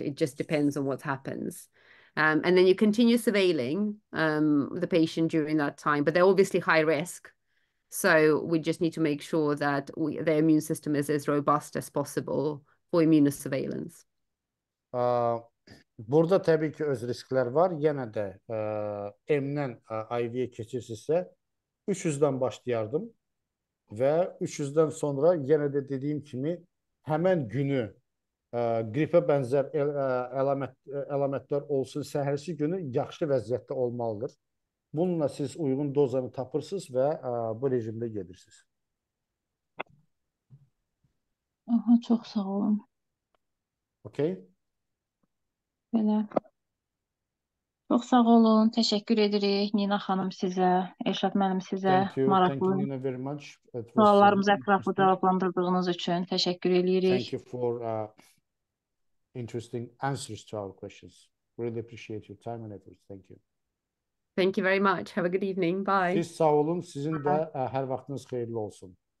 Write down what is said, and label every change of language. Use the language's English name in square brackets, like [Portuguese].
[English] It just depends on what happens. And then you continue surveilling the patient during that time, but they're obviously high risk. So we just need to make sure that their immune system is as robust as possible for immunosurveillance. [Azerbaijani] Burada təbii ki öz risklər var. Yenə də M-dən IV-yə keçirsinizsə 300-dən başlayardım və 300-dən sonra yenə də dediyim kimi həmin günü qripə bənzər əlamətlər olsun, səhərsi günü yaxşı vəziyyətdə olmalıdır. Bununla siz uyğun dozanı tapırsınız və bu rejimdə gedirsiniz. Aha, çox sağ olun. [English] Okay. [Azerbaijani] Belə. Çox sağ olun. Təşəkkür edirik Nina xanım sizə, Elşad müəllim sizə. [English] Thank you, [Azerbaijani] maraqlı [English] Nina, very much. [Azerbaijani] Suallarımızı ətraflı cavablandırdığınız üçün təşəkkür edirik. [English] Thank you for interesting answers to our questions. Really appreciate your time and effort. Thank you. Thank you very much. Have a good evening. Bye. [Azerbaijani] Siz sağ olun. Sizin də hər vaxtınız xeyirli olsun.